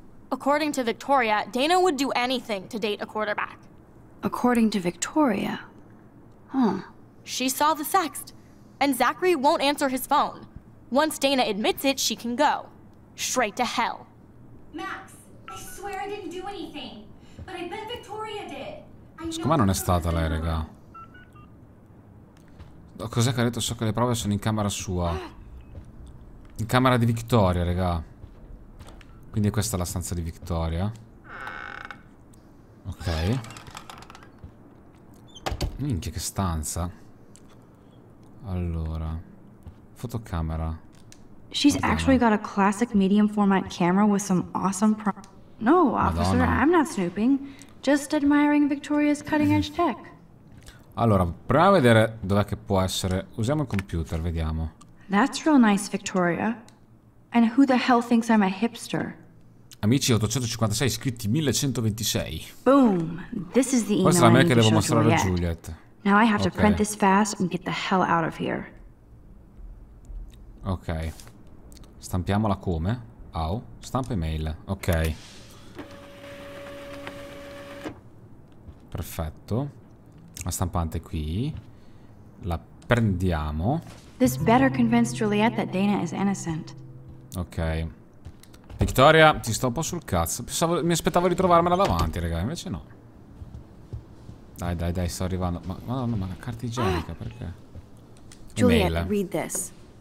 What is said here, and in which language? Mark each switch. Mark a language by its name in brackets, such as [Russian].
[English] According to Victoria, Dana would do anything to date a quarterback. According to Victoria? Huh. She saw the sext. And Zachary won't answer his phone. Once Dana admits it, she can go. Straight to hell. Max, I swear I didn't do anything. But I bet Victoria did. [Italian] Com'è non è stata lei, raga? Cos'è che ha detto? So che le prove sono in camera sua. In camera di Victoria, raga. Quindi questa è la stanza di Victoria. Ok. Minchia, che stanza. Allora. Fotocamera. [English] She's actually got a classic medium format camera with some awesome pro. No, officer, Madonna. I'm not snooping. Just admiring Victoria's cutting edge tech. [Italian] Allora, proviamo a vedere dov'è che può essere. Usiamo il computer, vediamo. [English] That's real nice, Victoria. And who the hell thinks I'm a hipster? [Italian] Amici 856, iscritti 1126. [English] Boom! This is the email. [Italian] Questa è la mail che devo mostrare a Juliet. [English] Now I have to print this fast and get the hell out of here. [Italian] Ok. Stampiamola come? Au. Stampa email. Ok. Perfetto. La stampante qui. La prendiamo. [English] This better convince Juliet that Dana is innocent. Ok. [Italian] Victoria, ti sto un po' sul cazzo. Pensavo, mi aspettavo di trovarmela davanti, raga, invece no. Dai, dai, dai, sto arrivando. Madonna, ma la carta igienica, perché? [English] Juliet, read this.